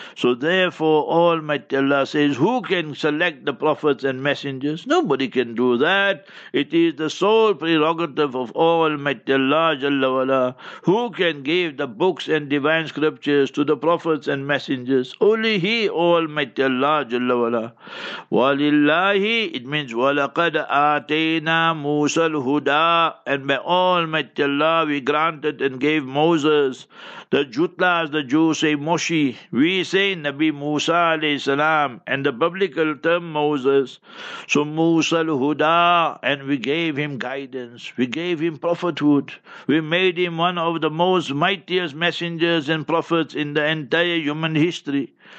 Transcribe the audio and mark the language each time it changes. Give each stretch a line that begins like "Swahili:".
English: So therefore, Almighty Allah says, who can select the prophets and messengers? Nobody can do that. It is the sole prerogative of Almighty Allah Jalla Wala. Who can give the books and divine scriptures to the prophets and messengers? Only He, Almighty Allah Jalla Wala.
Arabic: Walillahi,
English: it means
Arabic: وَلَقَدْ آتَيْنَا مُوسَى الْهُدَىٰ.
English: And by Almighty Allah, we granted and gave Moses. The Jutlas, the Jews say Moshi. We say Nabi Musa alayhi salam, and the biblical term Moses. So Musa al-Huda, and we gave him guidance. We gave him prophethood. We made him one of the most mightiest messengers and prophets in the entire human history.